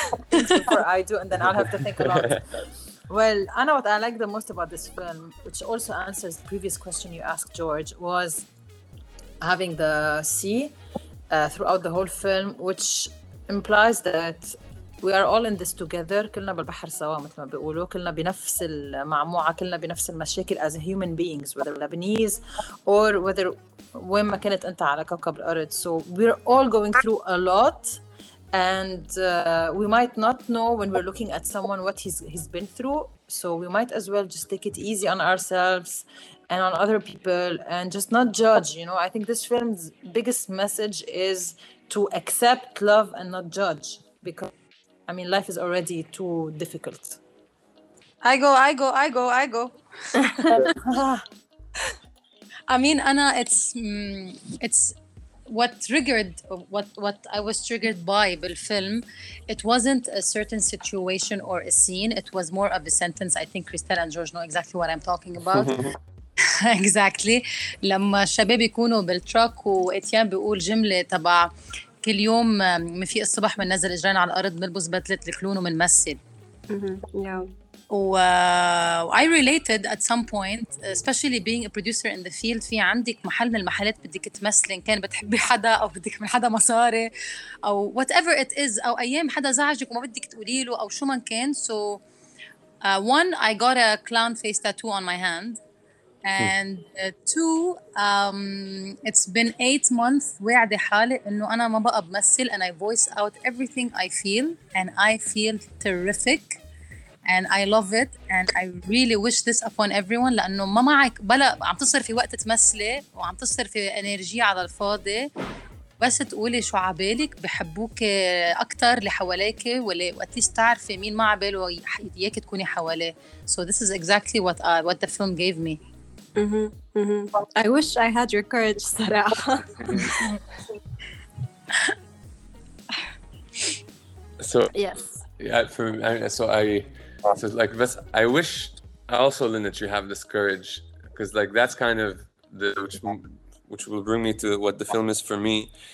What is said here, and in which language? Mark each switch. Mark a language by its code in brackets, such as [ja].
[en] Before I do, and then I'll have to think about it. Well, Anna, what I like the most about this film, which also answers the previous question you asked, George, was having the sea throughout the whole film, which implies that we are all in this together. [ar] كلنا بالبحر سوا مثل ما بيقولوا, كلنا بنفس المعموعة, كلنا بنفس المشاكل [en] as human beings, whether Lebanese or whether [ar] وين ما كانت انت على كوكب الأرض. [en] So we're all going through a lot, and we might not know when we're looking at someone what he's been through. So we might as well just take it easy on ourselves and on other people and just not judge, you know. I think this film's biggest message is to accept, love, and not judge, because I mean, life is already too difficult. I go. I mean, Anna, it's what triggered, what I was triggered by the film. It wasn't a certain situation or a scene. It was more of a sentence. I think Christelle and George know exactly what I'm talking about. Exactly. [ar] لما الشباب يكونوا بالتراك وإتيان بيقول جملة تبع كل يوم من في الصبح من نزل إجرينا على الأرض بنلبس بدلة الكلون ومن مسجد. [en] I related at some point, especially being a producer in the field. [ar] في عندك محل من المحلات بدك تمثلي, إن كان بتحبي حدا أو بدك من حدا مصاري أو [en] whatever it is, [ar] أو أيام حدا زعجك وما بدك تقولي له أو شو من كان. [en] So one, I got a clown face tattoo on my hand. And two, it's been 8 months [ar] وعدي حالي إنه أنا ما بقى بمثل, [en] and I voice out everything I feel, and I feel terrific, and I love it, and I really wish this upon everyone. [ar] لأنه ما معك بلا عم تصرف في وقت تمثلي وعم تصرف في انرجي على الفاضي, بس تقولي شو عبالك بحبوك أكتر لحواليك ولا وقتيش تعرفي مين ما عباله وياك تكوني حواليه. [en] So this is exactly what the film gave me. I wish I had your courage, Sarah. So yes, yeah. For me, I wish also, Lynn, that you have this courage, because like that's kind of the which will bring me to what the film is for me.